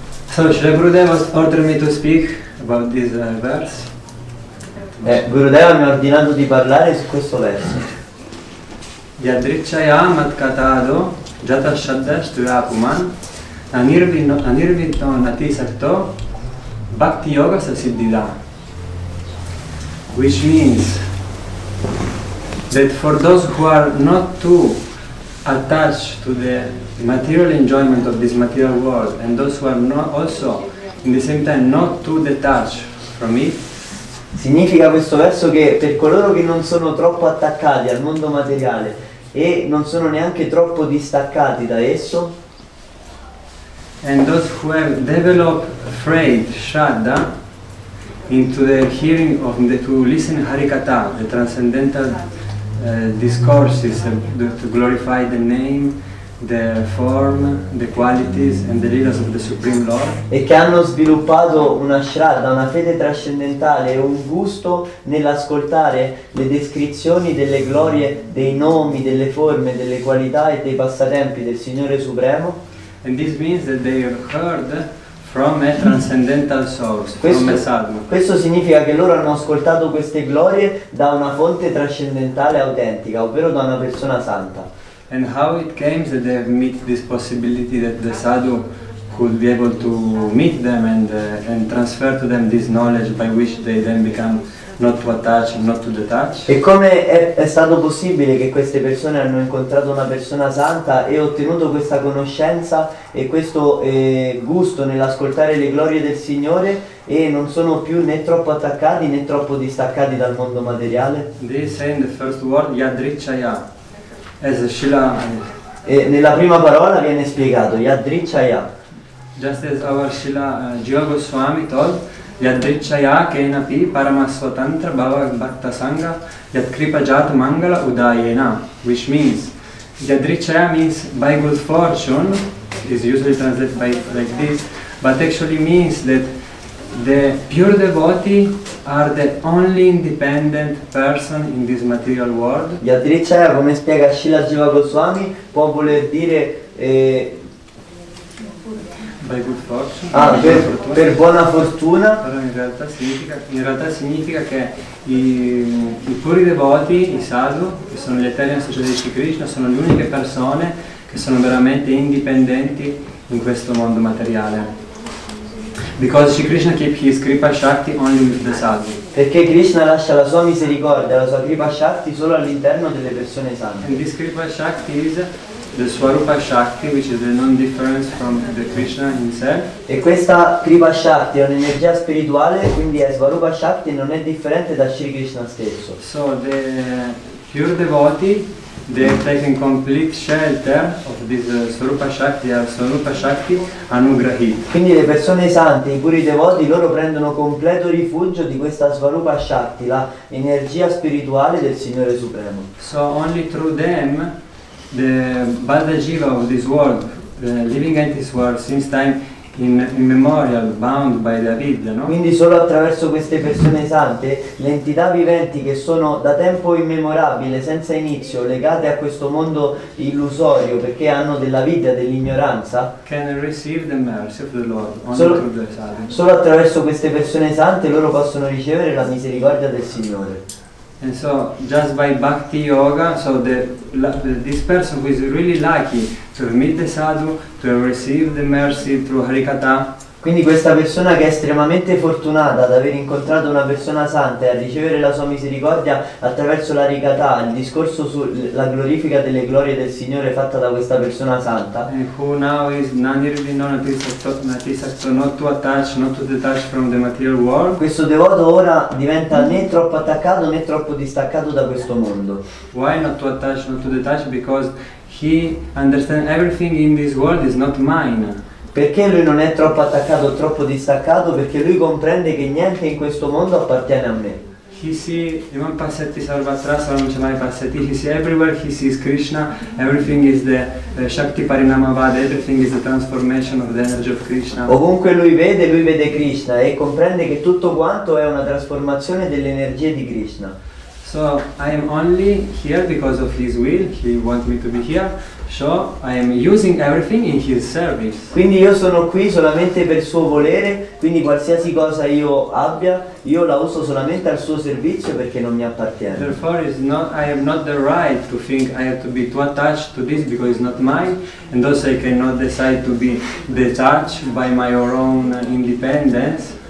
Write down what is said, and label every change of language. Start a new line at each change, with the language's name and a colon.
English: So Shri Gurudeva ordered me to speak about this verse.
Italian: Gurudeva mi ha ordinato di parlare su questo verso.
Sanskrit: Yadrichaya Matkatado Jata Shaddash to Apuman, Anirvito Nati Sakto, Bhakti Yoga Sasiddhida.
English: Which means that for those who are not too attached to the material enjoyment of this material world, and those who are not also, in the same time, not too detached from it,
Italian: significa questo verso che per coloro che non sono troppo attaccati al mondo materiale, e non sono neanche troppo distaccati da esso.
English: And those who have developed afraid Shraddha into the hearing of the to listen Harikatha, the transcendental discourses to glorify the name, the form, the qualities and the leaders of the Supreme Lord.
Italian: E che hanno sviluppato una shraddha, una fede trascendentale e un gusto nell'ascoltare le descrizioni delle glorie, dei nomi, delle forme, delle qualità e dei passatempi del Signore Supremo.
English: And this means that they have heard from a transcendental source,
Italian: questo,
English: from a sadhu.
Italian: Questo significa che loro hanno ascoltato queste glorie da una fonte trascendentale autentica, ovvero da una persona santa.
English: And how it came that they have met this possibility that the sadhu could be able to meet them and transfer to them this knowledge by which they then become not to attach and not to detach.
Italian: E come è stato possibile che queste persone hanno incontrato una persona santa e ottenuto questa conoscenza e questo gusto nell'ascoltare le glorie del Signore e non sono più né troppo attaccati né troppo distaccati dal mondo materiale?
English: They say in the first word, yadrichaya. As Shila,
Italian: e nella prima parola viene spiegato yadrichaya.
English: Just as our Shila Jiva Goswami told,
Sanskrit: yadrichaya kena pi paramasvatantra bhava bhakta sangha yat kripa jat mangala udayena,
English: which means yadrichaya means by good fortune, is usually translated by like this, but actually means that the pure devotee are the only independent person in this material world.
Italian: Yadrichaya, come spiega Srila Jiva Goswami, può voler dire
English: by good fortune.
Italian: Ah, per buona fortuna. Però in realtà significa che i puri devoti, i sadhu, che sono gli eterni associati di Krishna, sono le uniche persone che sono veramente indipendenti in questo mondo materiale.
English: Because Sri Krishna keep his Kripa Shakti only with the sadhu.
Italian: Perché Krishna lascia la sua misericordia, la sua Kripa Shakti solo all'interno delle persone sante.
English: And this Kripa Shakti is the Swarupa Shakti, which is the non-difference from the Krishna himself.
Italian: E questa Kripa Shakti è un'energia spirituale, quindi è Swarupa Shakti e non è differente da Sri Krishna stesso.
English: So the pure devotee, they have taken complete shelter of this Swarupa Shakti, Swarupa Shakti Anugrahi.
Italian: Quindi le persone sante, i puri devoti, loro prendono completo rifugio di questa Swarupa Shakti, la energia spirituale del Signore Supremo.
English: So only through them, the Baddha Jiva of this world, living in this world since time immemorial, bound by the avidya, no?
Italian: Quindi solo attraverso queste persone sante, le entità viventi che sono da tempo immemorabile, senza inizio, legate a questo mondo illusorio, perché hanno della avidya, dell'ignoranza,
English: can receive the mercy of the Lord only through the sadhu.
Italian: Solo attraverso queste persone sante loro possono ricevere la misericordia del Signore.
English: And so, just by bhakti yoga, so this person who is really lucky to meet the sadhu, to receive the mercy through Harikatha.
Italian: Quindi questa persona che è estremamente fortunata ad aver incontrato una persona santa e a ricevere la sua misericordia attraverso la Harikatha, il discorso sulla glorifica delle glorie del Signore fatta da questa persona santa.
English: And who now is nearly non-attached, not to attach, not to detach from the material world.
Italian: Questo devoto ora diventa né troppo attaccato né troppo distaccato da questo mondo.
English: Why not to attach, not to detach? Because he understands everything in this world is not mine.
Italian: Perché lui non è troppo attaccato, troppo distaccato? Perché lui comprende che niente in questo mondo appartiene a me. He sees even passati sarvatrasa non c'è mai passati.
English: He sees everywhere. He sees Krishna. Everything is the shakti parinamavada. Everything is the transformation of the energy of Krishna.
Italian: Ovunque lui vede Krishna e comprende che tutto quanto è una trasformazione dell'energia di Krishna.
English: So I am only here because of his will. He wants me to be here. So I am using everything in his service.
Italian: Quindi io sono qui solamente per suo volere, quindi qualsiasi cosa io abbia, io la uso solamente al suo servizio perché non mi appartiene.
English: Therefore is not I have not the right to think I have to be too attached to this because it's not mine, and also I cannot decide to be detached by my own independence.